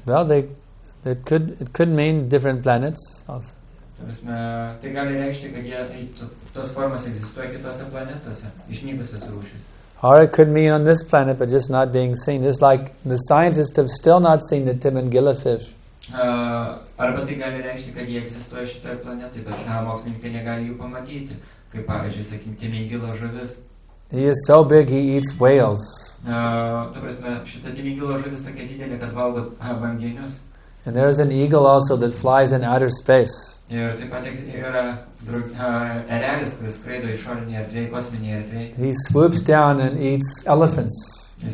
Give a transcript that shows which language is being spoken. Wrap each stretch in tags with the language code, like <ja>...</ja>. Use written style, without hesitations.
<en>Well, it could mean different planets also. Or it could mean on this planet, but just not being seen. Just like the scientists have still not seen the Timangila fish.</en> <lt>Arba tai gali reikšti, kad jie egzistuoja šitoje planetoje, bet mokslininkai negali jų pamatyti, kaip pavyzdžiui, sakim, tymingilo žuvis.</lt> <en>He is so big, he eats whales. And there is an eagle also that flies in outer space. He swoops down and eats elephants.</en>